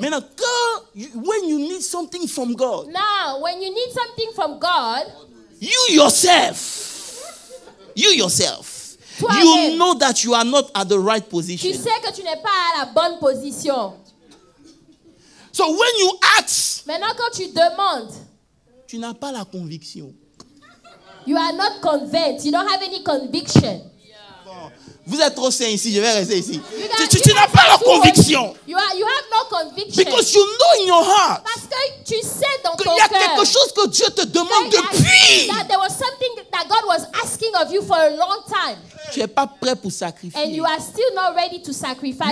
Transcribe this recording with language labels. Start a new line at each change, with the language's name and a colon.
English: Man, girl, when you need something from God. Now, when you need something from God. You yourself. You know that you are not at the right position.
French: Tu sais que tu n'es pas à la bonne position.
English: So when you ask.
French: Maintenant, quand tu demandes. Tu n'as pas la conviction.
English: You are not convinced. You don't have any conviction.
French: Vous êtes trop sain ici, je vais rester ici. Tu n'as pas la conviction.
English: You have no conviction. Because you know in your heart.
French: Parce que tu sais dans ton cœur. Qu'il y a quelque chose que Dieu te demande depuis.
English: That there was something that God was asking of you for a long time.
French: Tu n'es pas prêt pour sacrifier.
English: And you are still not ready to sacrifice.